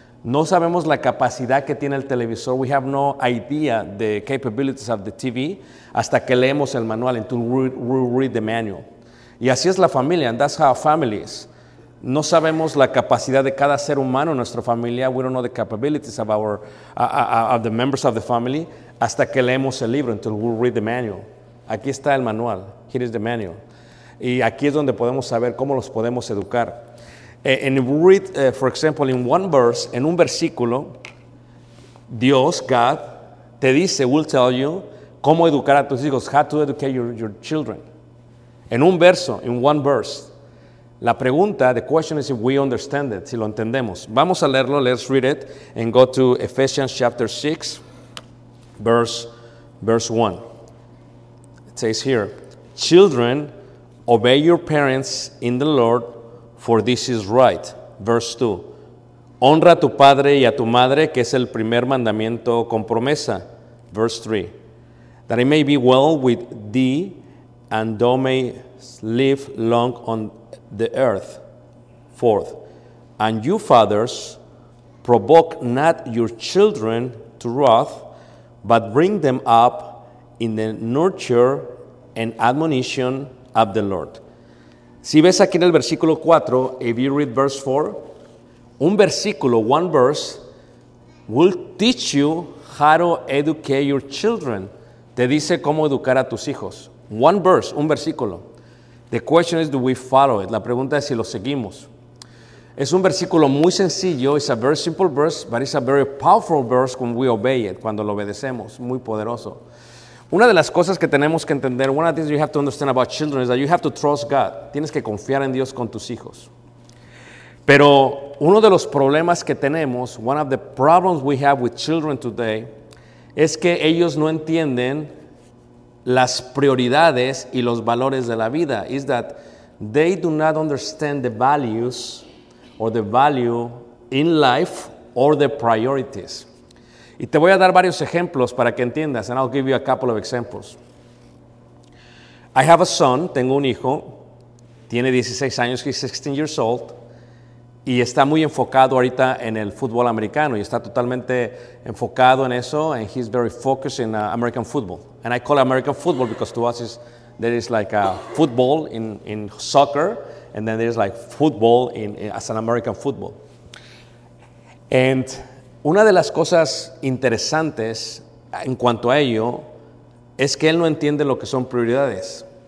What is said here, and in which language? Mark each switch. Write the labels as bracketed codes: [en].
[es] No sabemos la capacidad que tiene el televisor. [en] We have no idea the capabilities of the TV [es] hasta que leemos el manual, [en] until we read the manual. [es] Y así es la familia, [en] and that's how a family is. [es] No sabemos la capacidad de cada ser humano en nuestra familia. [en] We don't know the capabilities of of the members of the family [es] hasta que leemos el libro, [en] until we read the manual. [es] Aquí está el manual. [en] Here is the manual. [es] Y aquí es donde podemos saber cómo los podemos educar. [en] And if we read, for example, in one verse, [es] en un versículo, [en] Dios, God, [es] te dice, [en] will tell you, [es] cómo educar a tus hijos, [en] how to educate your children. [es] En un verso, [en] in one verse. [es] La pregunta, [en] the question is if we understand it, [es] si lo entendemos. Vamos a leerlo, [en] let's read it, and go to Ephesians chapter 6, verse 1. It says here, children, obey your parents in the Lord, for this is right. Verse 2. [es] Honra a tu padre y a tu madre, que es el primer mandamiento con promesa. [en] Verse 3. That it may be well with thee, and thou may live long on the earth. 4. And you fathers, provoke not your children to wrath, but bring them up in the nurture and admonition of the Lord. [es] Si ves aquí en el versículo 4, [en] if you read verse 4, [es] un versículo, [en] one verse, will teach you how to educate your children. [es] Te dice cómo educar a tus hijos. [en] One verse, [es] un versículo. [en] The question is, do we follow it? [es] La pregunta es si lo seguimos. Es un versículo muy sencillo. [en] It's a very simple verse, but it's a very powerful verse when we obey it, [es] cuando lo obedecemos. Muy poderoso. Una de las cosas que tenemos que entender, [en] one of the things you have to understand about children is that you have to trust God. [es] Tienes que confiar en Dios con tus hijos. Pero uno de los problemas que tenemos, [en] one of the problems we have with children today, [es] es que ellos no entienden las prioridades y los valores de la vida. [en] Is that they do not understand the values or the value in life or the priorities. [es] Y te voy a dar varios ejemplos para que entiendas. [en] And I'll give you a couple of examples. I have a son. [es] Tengo un hijo. Tiene 16 años. [en] He's 16 years old. [es] Y está muy enfocado ahorita en el fútbol americano. Y está totalmente enfocado en eso. [en] And he's very focused in American football. And I call it American football because to us is, there is like a football in soccer. And then there's like football in as an American football. And [es] una de las cosas interesantes en cuanto a ello es que él no entiende lo que son prioridades.